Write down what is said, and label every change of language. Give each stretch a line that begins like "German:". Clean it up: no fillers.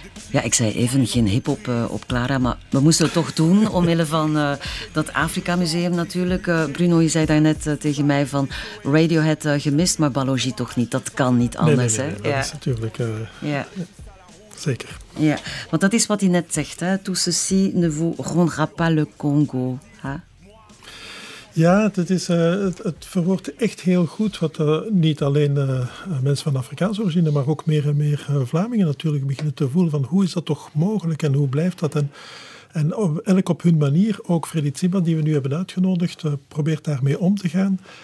Dutch: Ja, ik zei even geen hip-hop op Clara, maar we moesten het toch doen omwille van dat Afrika-museum natuurlijk. Bruno, je zei daarnet tegen mij van Radiohead gemist, maar Balogi toch niet. Dat kan niet anders. Nee, dat is natuurlijk... Zeker. Ja, want dat is wat hij net zegt, hè.
French: Tout ceci ne vous rendra pas le Congo.
Dutch: Hè? Ja, dat is, het verwoordt echt heel goed wat niet alleen mensen van Afrikaanse origine, maar ook meer en meer Vlamingen natuurlijk beginnen te voelen. Van hoe is dat toch mogelijk en hoe blijft dat? En op, elk op hun manier, ook Freddy Tsiba, die we nu hebben uitgenodigd, probeert daarmee om te gaan.